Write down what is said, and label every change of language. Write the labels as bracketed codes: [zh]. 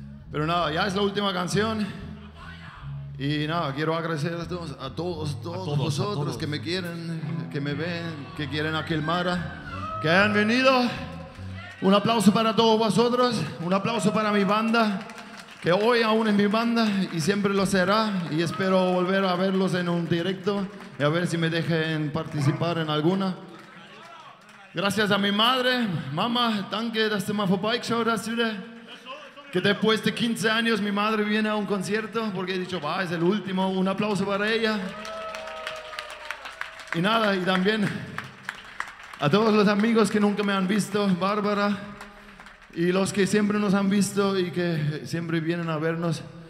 [es] Pero nada, ya es la última canción. Y nada, quiero agradecer a todos vosotros, a todos que me quieren, que me ven, que quieren a Kilmara, que han venido. Un aplauso para todos vosotros, un aplauso para mi banda, que hoy aún es mi banda y siempre lo será. Y espero volver a verlos en un directo y a ver si me dejen participar en alguna. Gracias a mi madre, mamá, [de] danke, dass du mal vorbeigeschaut hast, wieder. [es] Que después de 15 años mi madre viene a un concierto porque he dicho, va, es el último, un aplauso para ella. Y nada, y también a todos los amigos que nunca me han visto, Bárbara, y los que siempre nos han visto y que siempre vienen a vernos,